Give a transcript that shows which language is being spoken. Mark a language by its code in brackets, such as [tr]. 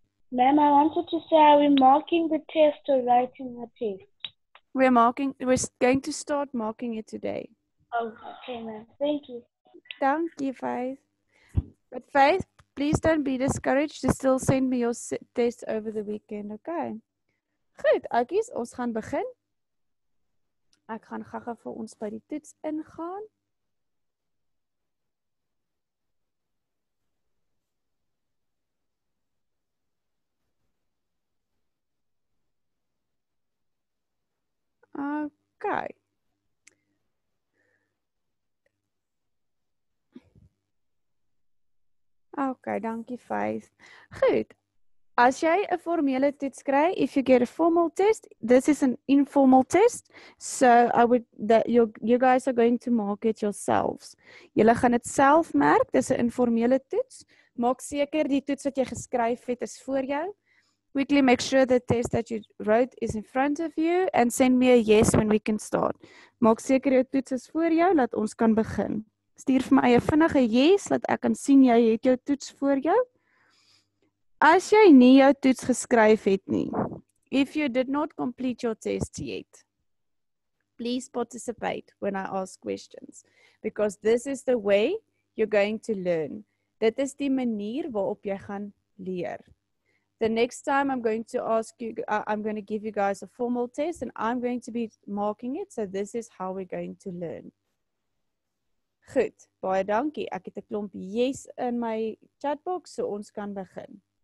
[en] Ma'am, I wanted to say, are we marking the test or writing the test? We're going to start marking it today. Oh, okay, ma'am. Thank you. Thank you, Five. But Five, please don't be discouraged. Just still send me your test over the weekend, okay? [af] Goed, Akies, ons gaan begin. Ek gaan gaga vir ons by die toets ingaan. Okay. Okay, dankie Faith. Goed. As jy 'n formele toets kry, [en] if you get a formal test, this is an informal test. So I would that you guys are going to mark it yourselves. [af] Julle gaan dit self merk, dis 'n informele toets. Maak seker die toets wat jy geskryf het is voor jou. [en] Quickly make sure the test that you wrote is in front of you and send me a yes when we can start. [af] Maak seker jou toets is voor jou dat ons kan begin. Stuur vir my 'n vinnige yes dat ek kan sien jy het jou toets voor jou. As jy nie jou toets geskryf het nie, [en] if you did not complete your test yet, please participate when I ask questions, because this is the way you're going to learn. [af] Dit is die manier waarop jy gaan leer. [en] The next time I'm going to ask you, I'm going to give you guys a formal test and I'm going to be marking it, so this is how we're going to learn. [af] Goed, baie dankie. Ek het 'n klomp yes in my chatbox, so ons kan begin.